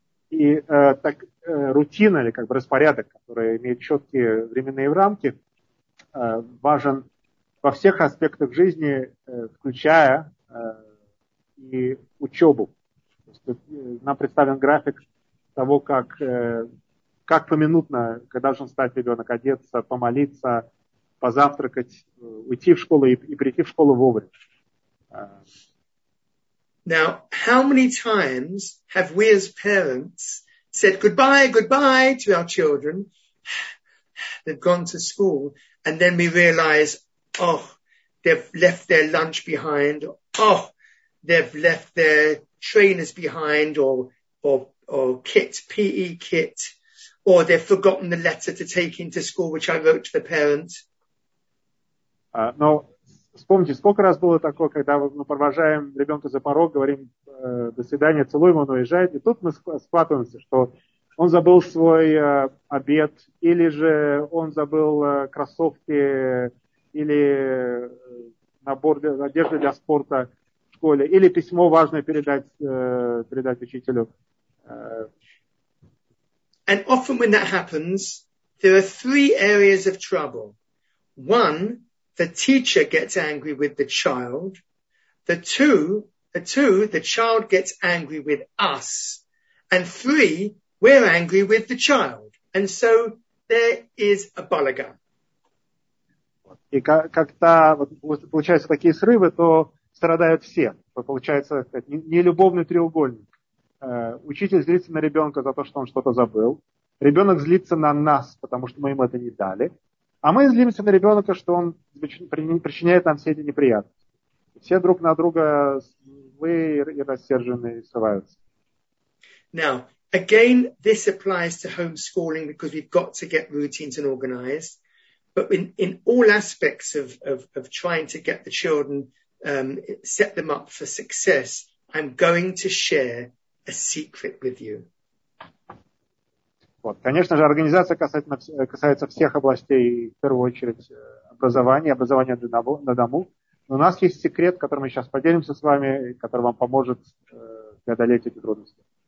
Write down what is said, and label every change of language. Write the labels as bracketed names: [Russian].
[Russian] И так рутина или как бы распорядок, который имеет четкие временные рамки, важен во всех аспектах жизни, включая и учебу. То есть, нам представлен график того, как поминутно, когда должен встать ребенок, одеться, помолиться, позавтракать, уйти в школу и прийти в школу вовремя. [English] Now, how many times have we as parents said goodbye, goodbye to our children? They've gone to school, and then we realize, oh, they've left their lunch behind, oh, they've left their trainers behind, or kit, PE kit, or they've forgotten the letter to take into school, which I wrote to the parent. [Russian] Но вспомните, сколько раз было такое, когда мы провожаем ребенка за порог, говорим «до свидания», целуем, он уезжает, и тут мы схватываемся, что он забыл свой обед, или же он забыл кроссовки, или набор одежды для спорта в школе, или письмо важное передать учителю. [English] And often when that happens, there are three areas of trouble. One, the teacher gets angry with the child. The two, the child gets angry with us. And three, we're angry with the child. And so there is a balаган. [Russian] И когда получаются такие срывы, то страдают все. Получается нелюбовный треугольник. Учитель злится на ребенка за то, что он что-то забыл. Ребенок злится на нас, потому что мы ему это не дали. А мы злимся на ребенка, что он причиняет нам все эти неприятности. Все друг на друга злые и рассерженные срываются. [English] Now, again, this applies to homeschooling because we've got to get routines and organized. But in all aspects of trying to get the children, set them up for success, I'm going to share a secret with you. [Russian] Вот. Конечно же, организация касается всех областей, в первую очередь образования на дому. Но у нас есть секрет, который мы сейчас поделимся с вами, который вам поможет преодолеть эти трудности.